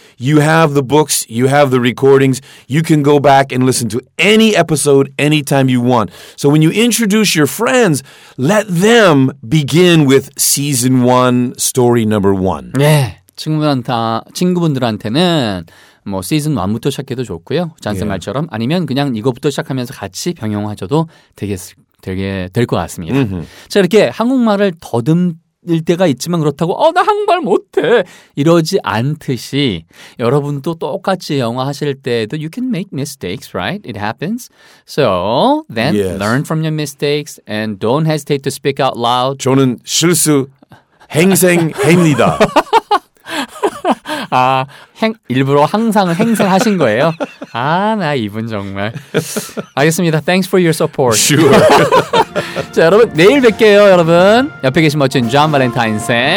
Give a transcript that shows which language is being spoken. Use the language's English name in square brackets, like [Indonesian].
[English] You have the books, you have the recordings, you can go back and listen to any episode anytime you want. So when you introduce your friends, let them begin with season 1, story number 1. [Korean] 네, 친구분들한테는 뭐 시즌 1부터 시작해도 좋고요. 잔스 말처럼 아니면 그냥 이거부터 시작하면서 같이 병용하셔도 될 것 같습니다. 자, 이렇게 한국말을 더듬을 때가 있지만 그렇다고 나 한국말 못해 이러지 않듯이 여러분도 똑같이 영어 하실 때에도 [English] You can make mistakes, right? It happens. So then learn from your mistakes and don't hesitate to speak out loud. [Korean] 저는 실수 행생 합니다. 아, 일부러 항상을 행세하신 거예요? 아, 나 이분 정말. 알겠습니다. [English] Thanks for your support. Sure. [Korean] 자, 여러분, 내일 뵐게요, 여러분. 옆에 계신 멋진 존 발렌타인 쌤.